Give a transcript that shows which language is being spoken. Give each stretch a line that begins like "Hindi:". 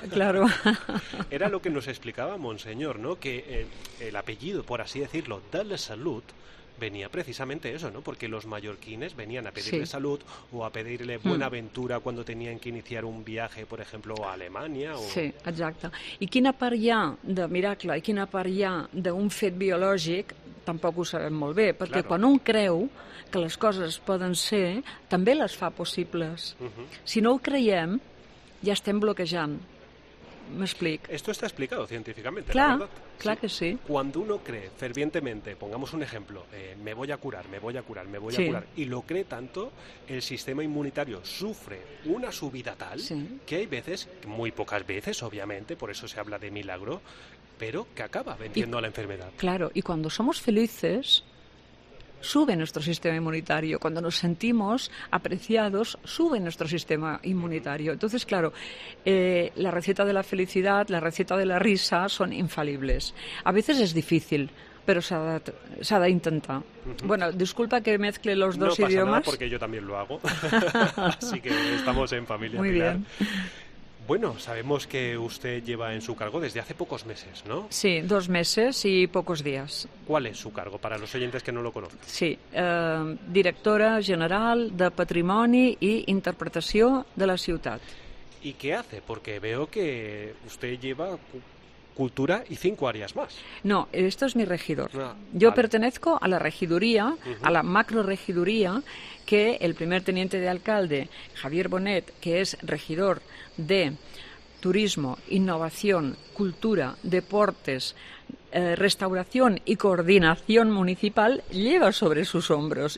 Spanish: Claro. Era lo que nos explicaba Monseñor, ¿no? Que el apellido, por así decirlo, de la Salut, venía precisamente eso, ¿no? Porque los mallorquines venían a pedirle sí. salud o a pedirle buena aventura cuando tenían que iniciar un viaje, por ejemplo, a Alemania. O...
Catalan: Sí, exacte. I quina part hi ha de miracle i quina part hi ha d'un fet biològic, tampoc ho sabem molt bé, perquè
Spanish: claro.
Catalan: quan un creu que les coses poden ser, també les fa possibles. Si no ho creiem, ja estem bloquejant. M'explico.
Spanish: Esto está explicado científicamente, claro, ¿la verdad? Claro, sí. que sí. Cuando uno cree fervientemente, pongamos un ejemplo, me voy a curar, me voy a curar, me voy sí. a curar, y lo cree tanto, el sistema inmunitario sufre una subida tal sí. que hay veces, muy pocas veces, obviamente, por eso se habla de milagro, pero que acaba venciendo a la enfermedad. Claro, y cuando somos felices, sube nuestro sistema inmunitario. Cuando nos sentimos apreciados, sube nuestro sistema inmunitario. Entonces, claro, la receta de la felicidad, la receta de la risa son infalibles. A veces es difícil, pero se ha de intentar. Bueno, disculpa que mezcle los dos no idiomas. No pasa nada, porque yo también lo hago. Así que estamos en familia. Muy bien. Bueno, sabemos que usted lleva en su cargo desde hace pocos meses, ¿no? Sí, 2 meses y pocos días. ¿Cuál es su cargo, para los oyentes que no lo conocen? Sí, directora general de Patrimoni i Interpretació de la Ciutat. ¿Y qué hace? Porque veo que usted lleva cultura y 5 áreas más. No, esto es mi regidor. Ah, yo vale. pertenezco a la regiduría, a la macroregiduría, que el primer teniente de alcalde, Javier Bonet, que es regidor de Turismo, Innovación, Cultura, Deportes, Restauración y Coordinación Municipal, lleva sobre sus hombros.